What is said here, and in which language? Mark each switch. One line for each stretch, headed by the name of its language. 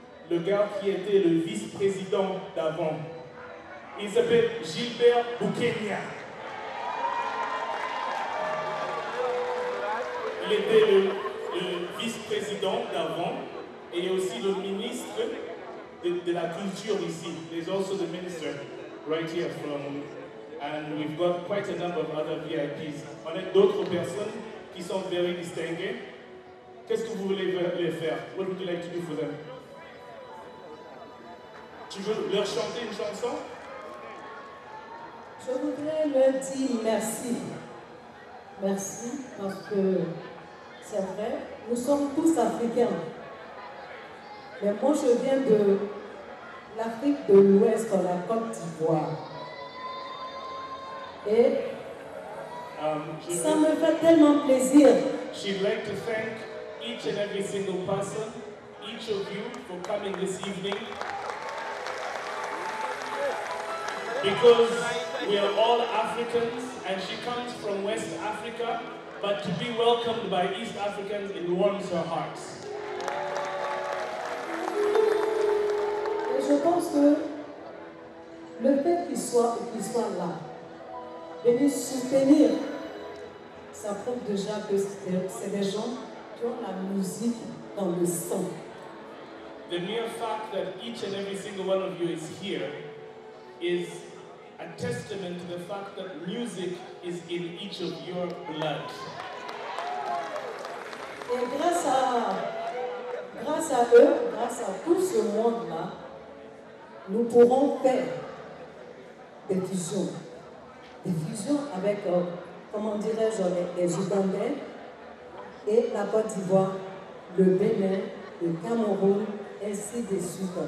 French: Le gars qui était le vice-président d'avant. Il s'appelle Gilbert Boukenia. Il était le vice-président d'avant et aussi le ministre de la culture ici.
English: There's also the minister right here from. And we've got quite a number of other VIPs.
French: On a d'autres personnes qui sont very distinguées. Qu'est-ce que vous voulez les faire?
English: What would you like to do for them?
French: Tu veux leur chanter une chanson? Je voudrais leur dire merci. Merci, parce que c'est vrai, nous sommes tous Africains. Mais moi, je viens de l'Afrique de l'Ouest, en la Côte d'Ivoire. Et ça me fait tellement plaisir.
English: She'd like to thank each and every single person, each of you, for coming this evening. Because we are all Africans, and she comes from West Africa, but to be welcomed by East Africans, it warms her heart.
French: Et je pense que le fait qu'il soit là, venir soutenir, ça prouve déjà que c'est des gens qui ont la musique dans le sang.
English: The mere fact that each and every single one of you is here is a testament to the fact that music is in each of your blood.
French: Et grâce à eux, grâce à tout ce monde-là, nous pourrons faire des fusions. Des fusions avec, comment dirais-je, les Ougandais et la Côte d'Ivoire, le Bénin, le Cameroun, ainsi de suite.